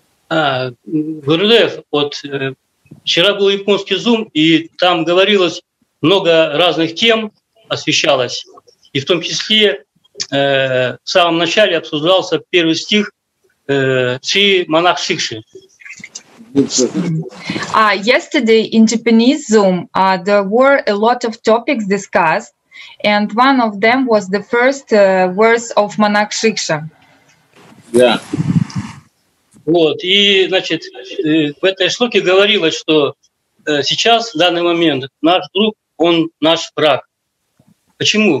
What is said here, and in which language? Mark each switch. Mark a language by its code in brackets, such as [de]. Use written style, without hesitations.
[ru] Гурдев, вот вчера был японский Zoom, и там говорилось много разных тем, освещалось, и в том числе в самом начале обсуждался первый стих «Си монах Сикши». [en] Yesterday in Japanese Zoom, there were a lot of topics discussed, and one of them was the first verse of Monak Shiksha. Yeah. [ru] Вот, и, значит, в этой шлоке говорилось, что сейчас, в данный момент, наш друг, он наш враг. Почему?